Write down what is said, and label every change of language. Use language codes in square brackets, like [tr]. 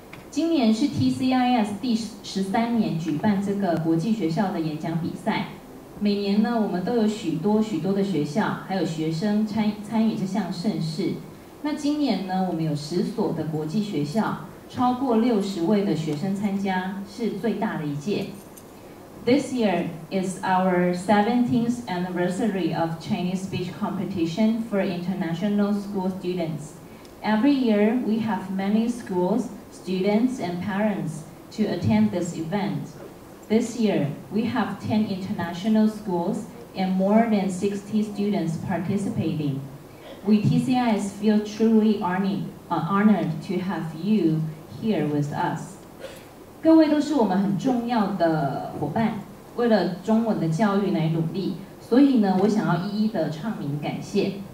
[zh] 今年是 TCIS 第十三年举办这个国际学校的演讲比赛。每年呢，我们都有许多许多的学校还有学生参与这项盛事。那今年呢，我们有十所的国际学校，超过六十位的学生参加，是最大的一届。 [en] This year is our 17th anniversary of Chinese speech competition for international school students. Every year, we have many schools, students, and parents to attend this event. This year, we have 10 international schools and more than 60 students participating. We TCIS feel truly honored to have you here with us. [zh] 各位都是我们很重要的伙伴，为了中文的教育来努力，所以呢，我想要一一的唱名感谢。